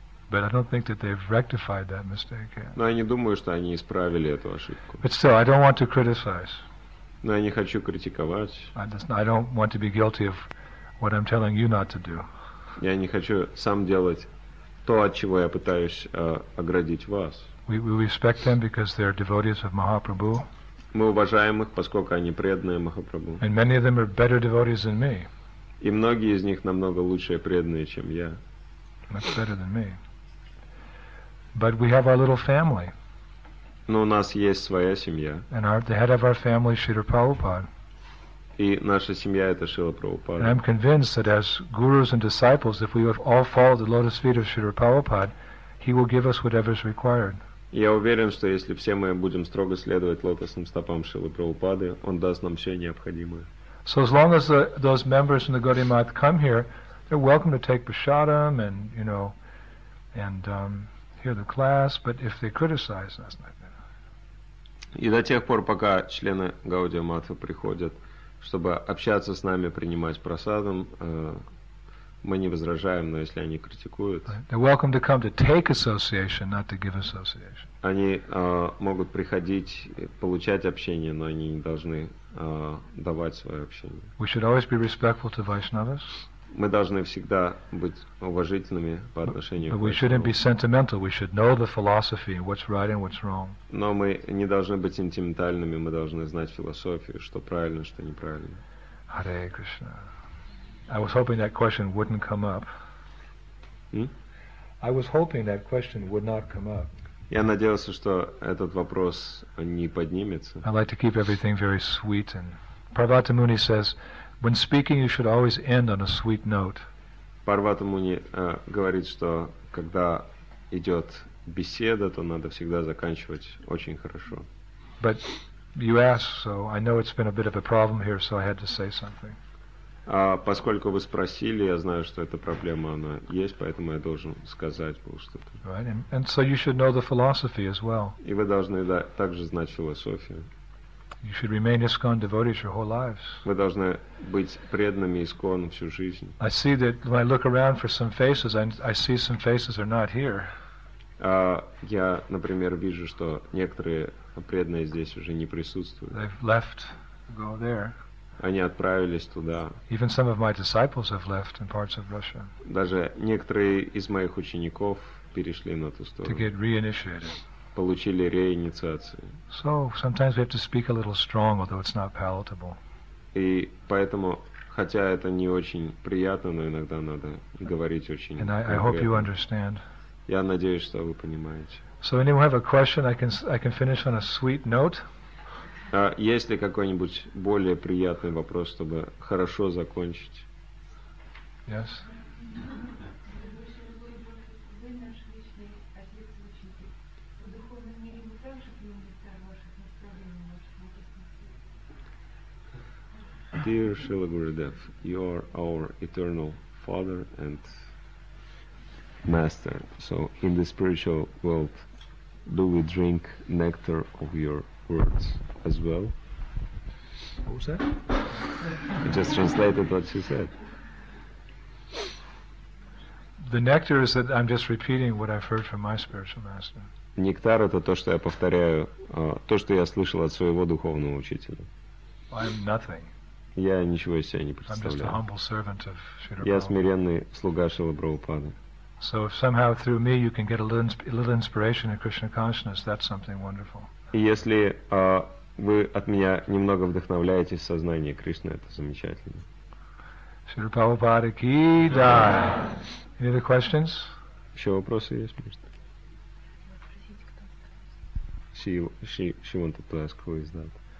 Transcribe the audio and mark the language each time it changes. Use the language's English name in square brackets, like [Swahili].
[English] But I don't think that they've rectified that mistake yet. [Russian] Но я не думаю, что они исправили эту ошибку. [English] But still, I don't want to criticize. [Russian] Но я не хочу критиковать. [English] I don't want to be guilty of what I'm telling you not to do. [Russian] Я не хочу сам делать то, от чего я пытаюсь оградить вас. [English] We respect them because they're devotees of Mahaprabhu. [Russian] Мы уважаем их, поскольку они преданные Махапрабху. [English] And many of them are better devotees than me. [Russian] И многие из них намного лучше преданные, чем я. [English] Much better than me. But we have our little family. [Russian] Но у нас есть своя семья. [English] And the head of our family is Śrīla Prabhupāda. [Russian] И наша семья – это Śrīla Prabhupāda. [English] And I'm convinced that as gurus and disciples, if we have all followed the lotus feet of Śrīla Prabhupāda, he will give us whatever is required. [Russian] Я уверен, что если все мы будем строго следовать лотосным стопам Шрилы Прабхупады, он даст нам все необходимое. [English] So as long as those members from the Gaudiya Math come here, they're welcome to take prasadam and, you know, and hear the class, but if they criticize us, not better. [Russian] И до тех пор, пока члены Гаудия Матха приходят, чтобы общаться с нами, принимать прасадам, мы не возражаем, но если они критикуют... [English] They're welcome to come to take association, not to give association. [Russian] Они могут приходить, получать общение, но они не должны давать свое общение. [English] We should always be respectful to Vaishnavas. [Russian] Мы должны всегда быть уважительными по отношению к Вайшнавам. [English] But we shouldn't be sentimental. We should know the philosophy, what's right and what's wrong. [Russian] Но мы не должны быть сентиментальными, мы должны знать философию, что правильно, что неправильно. [English] Hare Krishna. I was hoping that question wouldn't come up. I was hoping that question would not come up. [Russian] Я надеялся, что этот вопрос не поднимется. [English] I like to keep everything very sweet. And Parvata Muni says, when speaking, you should always end on a sweet note. [Russian] Parvata Muni говорит, что когда идет беседа, то надо всегда заканчивать очень хорошо. [English] But you asked, so I know it's been a bit of a problem here, so I had to say something. [Russian] Поскольку вы спросили, я знаю, что эта проблема, она есть, поэтому я должен сказать был что-то. [English] Right, and so you should know the philosophy as well. [Russian] И вы должны также знать философию. [English] You should remain ISKCON devotees your whole lives. [Russian] Вы должны быть преданными ISKCON всю жизнь. [English] I see that when I look around for some faces, I see some faces are not here. [Russian] Я, например, вижу, что некоторые преданные здесь уже не присутствуют. [English] They've left to go there. [Russian] Они отправились туда. [English] Even some of my disciples have left in parts of Russia. [Russian] Даже некоторые из моих учеников перешли на ту сторону. [English] To get reinitiated. [Russian] Получили реинициацию. [English] So sometimes we have to speak a little strong, although it's not palatable. [Russian] И поэтому, хотя это не очень приятно, но иногда надо говорить очень конкретно. [English] And I hope you understand. [Russian] Я надеюсь, что вы понимаете. [English] So anyone have a question, I can finish on a sweet note. [Russian] Есть ли какой-нибудь более приятный вопрос, чтобы хорошо закончить? [English] Yes. Dear Śrīla Gurudev, you are our eternal father and master. So in the spiritual world, do we drink nectar of your words as well? What was that? I just translated what she said. The nectar is that I'm just repeating what I've heard from my spiritual master. [Russian] Нектар — это то, что я повторяю, то, что я слышал от своего духовного учителя. [English] I'm nothing. [Russian] Я ничего из себя не представляю. [English] I'm just a humble servant of Śrīla [Russian] Prabhupāda. Я смиренный слуга Śrīla Prabhupāda. [English] So if somehow through me you can get a little inspiration in Krishna consciousness, that's something wonderful. [Russian] И если вы от меня немного вдохновляетесь в сознании Кришны, это замечательно. [English] Śrīla Prabhupāda ki jai. Any other questions? [Russian] Еще вопросы есть, пожалуйста. [English] She wanted to ask, who is that?